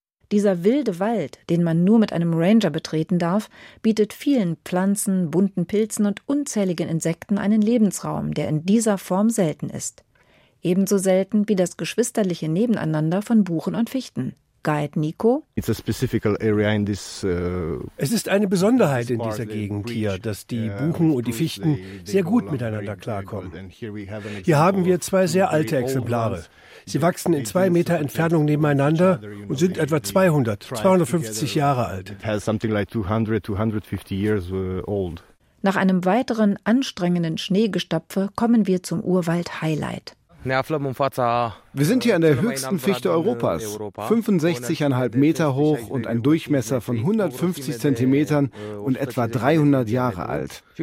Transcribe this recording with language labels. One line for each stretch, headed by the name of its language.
German: Dieser wilde Wald, den man nur mit einem Ranger betreten darf, bietet vielen Pflanzen, bunten Pilzen und unzähligen Insekten einen Lebensraum, der in dieser Form selten ist. Ebenso selten wie das geschwisterliche Nebeneinander von Buchen und Fichten. Guide Nico.
English: It's a specific area in this,
German: es ist eine Besonderheit in dieser Gegend hier, dass die Buchen und die Fichten sehr gut miteinander klarkommen. Hier haben wir zwei sehr alte Exemplare. Sie wachsen in 2 Meter Entfernung nebeneinander und sind etwa 200, 250 Jahre alt.
English: It has something like 200, 250 years old.
German: Nach einem weiteren anstrengenden Schneegestapfe kommen wir zum Urwald-Highlight. Wir sind hier an der höchsten Fichte Europas, 65,5 Meter hoch und ein Durchmesser von 150 Zentimetern und etwa 300 Jahre alt.